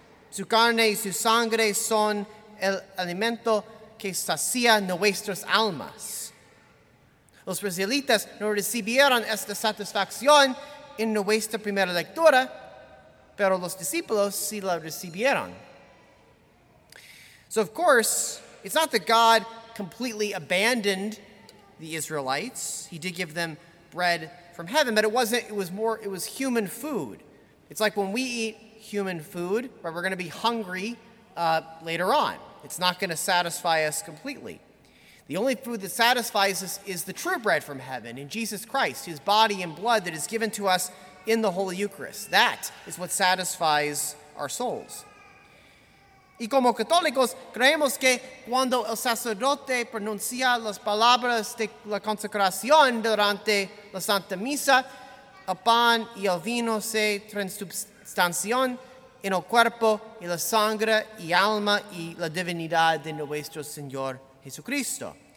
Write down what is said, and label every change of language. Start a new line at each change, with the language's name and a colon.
Spanish: Su carne y su sangre son el alimento que sacia nuestras almas. Los israelitas no recibieron esta satisfacción en nuestra primera lectura, pero los discípulos sí la recibieron.
English: So, of course, it's not that God completely abandoned the Israelites. He did give them bread from heaven, but it was human food. It's like when we eat human food, but we're going to be hungry later on. It's not going to satisfy us completely. The only food that satisfies us is the true bread from heaven in Jesus Christ, his body and blood that is given to us in the Holy Eucharist. That is what satisfies our souls.
Spanish: Y como católicos, creemos que cuando el sacerdote pronuncia las palabras de la consagración durante la Santa Misa, el pan y el vino se transubstancian en el cuerpo y la sangre y alma y la divinidad de nuestro Señor Jesucristo.